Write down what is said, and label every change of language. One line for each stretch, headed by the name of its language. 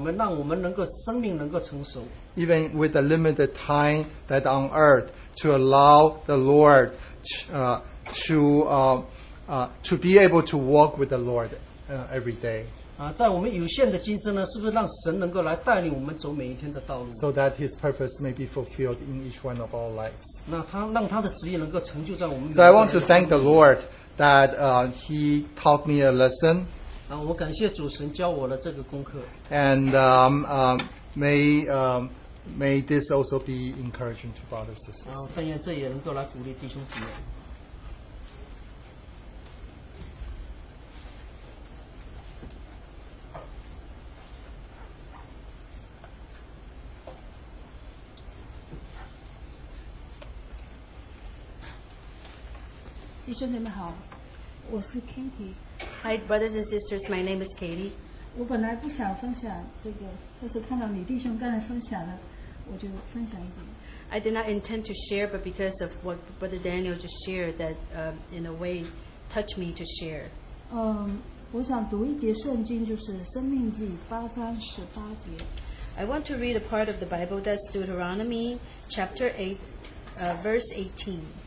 Chinese: 我们是不是让圣灵能够来带领我们，让我们能够生命能够成熟？
English: Even with the limited time that on earth, to allow the Lord to be able to walk with the Lord every day.
Chinese: 在我们有限的今生呢，是不是让神能够来带领我们走每一天的道路？
English: So that His purpose may be fulfilled in each one of our lives.
Chinese: 那他让他的旨意能够成就在我们。
English: So I want to thank the Lord that He taught me a lesson.
Chinese: 我感谢主神教我了这个功课。
English: And may this also be encouraging to brothers and sisters.
Chinese: 但愿这也能够来鼓励弟兄姊妹。弟兄姊妹好，我是 Katie。
English: Hi, brothers and sisters. My name is Katie.
Chinese: 我本来不想分享这个，但是看到你弟兄刚才分享了，我就分享一点。
English: I did not intend to share, but because of what Brother Daniel just shared, that in a way touched me to share.
Chinese: 我想读一节圣经，就是《生命记》8章18节。
English: I want to read a part of the Bible that's Deuteronomy chapter 8, verse 18.